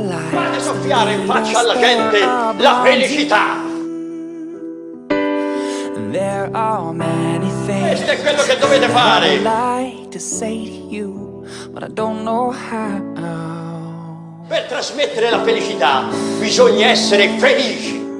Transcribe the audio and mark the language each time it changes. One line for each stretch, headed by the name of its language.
Italian: Fate soffiare in faccia alla gente la felicità.
English: There are many things.
Italian: Questo è quello che dovete fare.
English: I'd like to say to you, but I don't know how.
Italian: Per trasmettere la felicità bisogna essere felici.